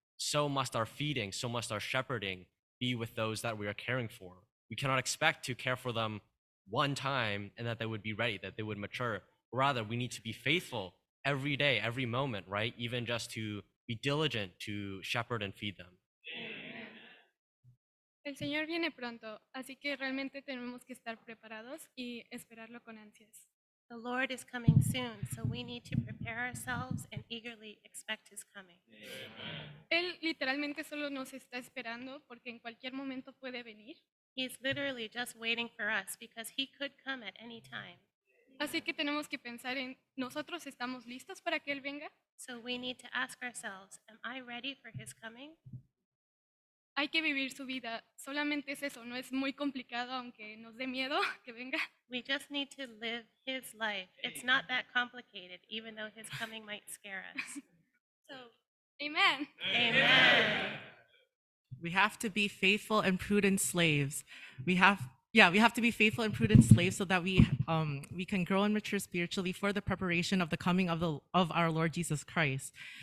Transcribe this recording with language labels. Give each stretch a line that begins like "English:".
English: So must our feeding, so must our shepherding be with those that we are caring for. We cannot expect to care for them one time and that they would be ready, that they would mature. Rather, we need to be faithful every day, every moment, right? Even just to be diligent to shepherd and feed them.
Spanish: El Señor viene pronto, así que realmente tenemos que estar preparados y esperarlo con ansias.
English: The Lord is coming soon, so we need to prepare ourselves and eagerly expect his coming.
Spanish: Él literalmente solo nos está esperando porque en cualquier momento puede venir.
English: He is literally just waiting for us because he could come at any time.
Spanish: Así que tenemos que pensar en, ¿nosotros estamos listos para que él venga?
English: So we need to ask ourselves, am I ready for his coming?
Spanish: Hay que vivir su vida, solamente es eso, no es muy complicado aunque nos dé miedo que venga.
English: We just need to live his life. It's not that complicated, even though his coming might scare us. So, amen. Amen. We have to be faithful and prudent slaves. We have to be faithful and prudent slaves so that we can grow and mature spiritually for the preparation of the coming of our Lord Jesus Christ.